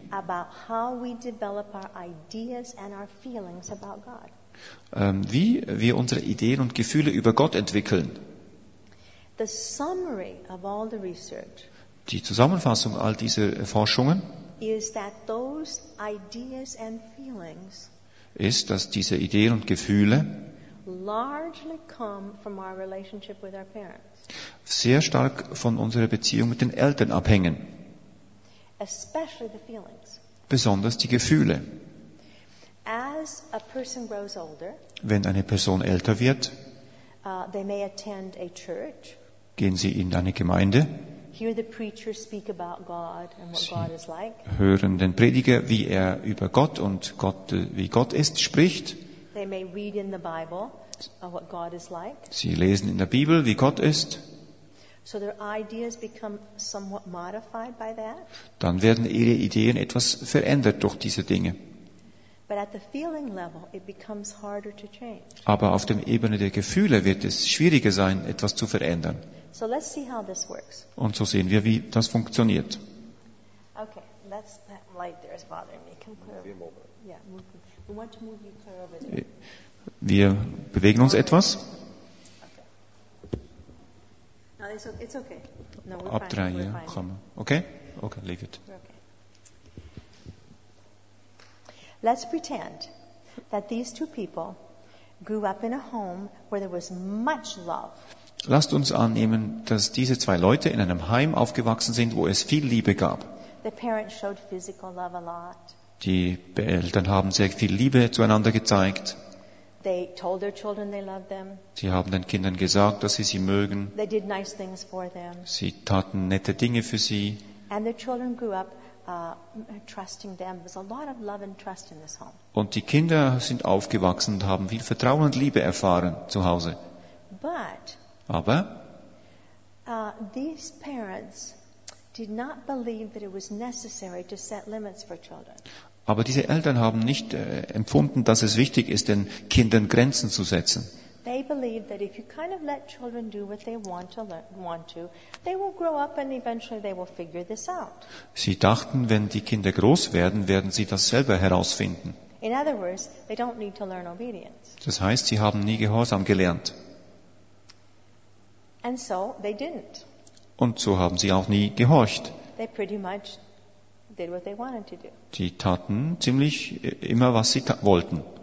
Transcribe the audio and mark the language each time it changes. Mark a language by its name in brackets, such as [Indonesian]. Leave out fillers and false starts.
[English] about how we develop our ideas and our feelings about God. [German] Wie wir unsere Ideen und Gefühle über Gott entwickeln. [English] The summary of all the research [German] die Zusammenfassung all dieser Forschungen [English] is that those ideas and feelings [German] ist, dass diese Ideen und Gefühle [English] largely come from our relationship with our parents. [German] Sehr stark von unserer Beziehung mit den Eltern abhängen. [English] Especially the feelings. [German] Besonders die Gefühle. [English] As a person grows older, [German] wenn eine Person älter wird, [English] they may attend a church, [German] gehen sie in eine Gemeinde, [English] hear the preacher speak about God and what God is like. [German] Hören den Prediger, wie er über Gott und Gott, wie Gott ist, spricht. [English] They may read in the Bible what God is like. [German] Sie lesen in der Bibel, wie Gott ist. [English] So their ideas become somewhat modified by that. [German] Dann werden ihre Ideen etwas verändert durch diese Dinge. [English] But at the feeling level, it becomes harder to change. [German] Aber auf der Ebene der Gefühle wird es schwieriger sein, etwas zu verändern. [English] So let's see how this works. [German] Und so sehen wir, wie das funktioniert. [English] Okay, that light there is bothering me. Can you move? Yeah, move. We want to move you clear over there. [German] Wir bewegen uns etwas. [English] Okay. No, it's okay. No, we're [German] abdrehen, [English] fine. [German] Komm. [English] Okay? Okay, leave it. Okay. Let's pretend that these two people grew up in a home where there was much love. [German] Lasst uns annehmen, dass diese zwei Leute in einem Heim aufgewachsen sind, wo es viel Liebe gab. [English] The parents showed physical love a lot. [German] Die Eltern haben sehr viel Liebe zueinander gezeigt. [English] They told their children they loved them. [German] Sie haben den Kindern gesagt, dass sie sie mögen. [English] They did nice things for them. [German] Sie taten nette Dinge für sie. [English] And their children grew up trusting them. There was a lot of love and trust in this home. [German] Und die Kinder sind aufgewachsen und haben viel Vertrauen und Liebe erfahren zu Hause. Aber [English] these parents did not believe that it was necessary to set limits for children. [German] Aber diese Eltern haben nicht empfunden, dass es wichtig ist, den Kindern Grenzen zu setzen. [English] They believed that if you kind of let children do what they want to they will grow up and eventually they will figure this out. [German] Sie dachten, wenn die Kinder groß werden, werden sie das selber herausfinden. [English] In other words, they don't need to learn obedience. [German] Das heißt, sie haben nie Gehorsam gelernt. [English] And so they didn't. [German] Und so haben sie auch nie gehorcht. [English] They pretty much did what they wanted to do. [German] Die taten ziemlich immer, was sie wollten.